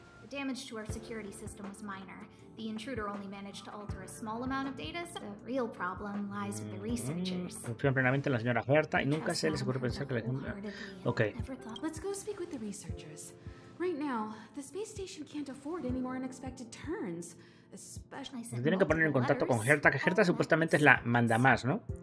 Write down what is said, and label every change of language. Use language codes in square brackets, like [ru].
[en] Damage to our security system was minor. The intruder only managed to alter a small amount of data, so the real problem lies with the researchers. [es] Confío plenamente en la señora Berta y nunca se les ocurre pensar que la gente... [en] Okay. Let's go speak with the researchers. Right now, the space station can't afford any more unexpected turns. [es] Nos tienen que poner en contacto con Herta, que Herta supuestamente es la mandamás, ¿no?